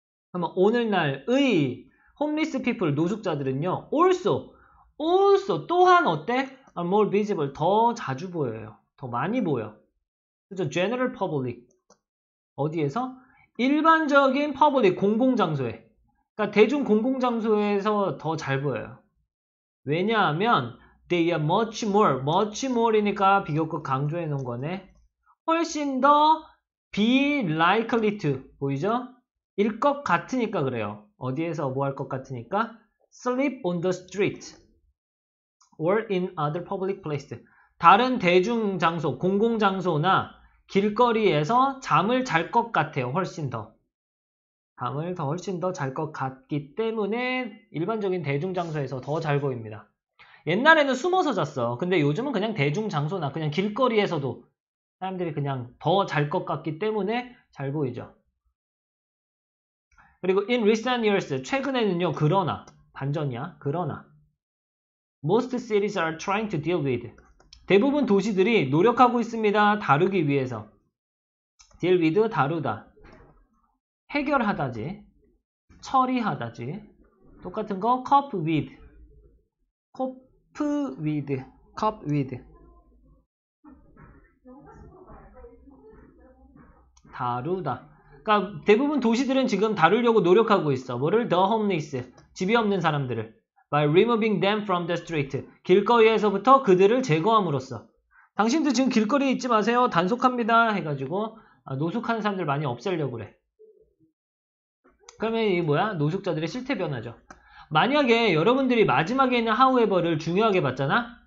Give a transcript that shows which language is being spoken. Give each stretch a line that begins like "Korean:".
Korean: 그러면 오늘날의
English: homeless people,
Korean: 노숙자들은요, also, 또한 어때?
English: Are more visible,
Korean: 더 자주 보여요. 더 많이 보여. 그죠?
English: General public.
Korean: 어디에서? 일반적인 public, 공공장소에. 그러니까 대중 공공장소에서 더잘 보여요. 왜냐하면,
English: they are much more.
Korean: much more이니까 비교급 강조해 놓은 거네. 훨씬 더
English: be likely to.
Korean: 보이죠? 일것 같으니까 그래요. 어디에서 뭐할것 같으니까?
English: sleep on the street. or in other public places.
Korean: 다른 대중장소, 공공장소나 길거리에서 잠을 잘것 같아요. 훨씬 더. 잠을 더 훨씬 더잘것 같기 때문에 일반적인 대중장소에서 더잘 보입니다. 옛날에는 숨어서 잤어. 근데 요즘은 그냥 대중장소나 그냥 길거리에서도 사람들이 그냥 더잘것 같기 때문에 잘 보이죠. 그리고
English: in recent years,
Korean: 최근에는요, 그러나, 반전이야, 그러나.
English: Most cities are trying to deal with.
Korean: 대부분 도시들이 노력하고 있습니다. 다루기 위해서.
English: deal with,
Korean: 다루다. 해결하다지. 처리하다지.
English: 똑같은 거, cope with. cope with.
Korean: 다루다. 그러니까 대부분 도시들은 지금 다루려고 노력하고 있어. 뭐를?
English: The homeless.
Korean: 집이 없는 사람들을.
English: By removing them from the street.
Korean: 길거리에서부터 그들을 제거함으로써. 당신도 지금 길거리에 있지 마세요. 단속합니다. 해가지고 노숙하는 사람들 많이 없애려고 그래. 그러면 이게 뭐야? 노숙자들의 실태 변화죠. 만약에 여러분들이 마지막에 있는 however를 중요하게 봤잖아?